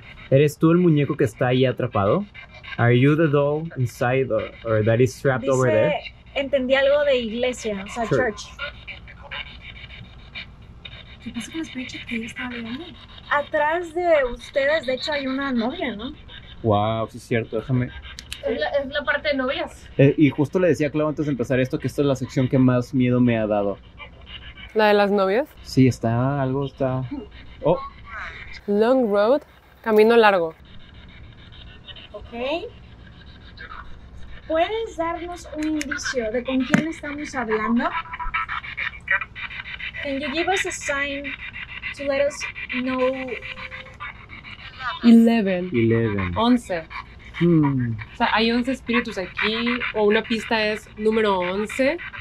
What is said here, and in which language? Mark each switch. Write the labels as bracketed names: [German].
[Spanish] ¿Eres tú el muñeco que está ahí atrapado? [English] Are you the doll inside or that is trapped [Spanish] dice, [English] over there? [Spanish] Entendí algo de iglesia, o sea, church. ¿Qué pasa con la speech que ella estaba leyendo? Atrás de ustedes, de hecho, hay una novia, ¿no? Wow, sí es cierto, déjame. Es la parte de novias. Y justo le decía a Clau antes de empezar esto que esta es la sección que más miedo me ha dado. ¿La de las novias? Sí, está, algo está. Oh. [English] Long road, [Spanish] camino largo. [English] Ok. [Spanish] ¿Puedes darnos un indicio de con quién estamos hablando? [English] Can you give us a sign to let us know? 11. 11. 11. [Spanish] O sea, hay 11 espíritus aquí, o una pista es número 11.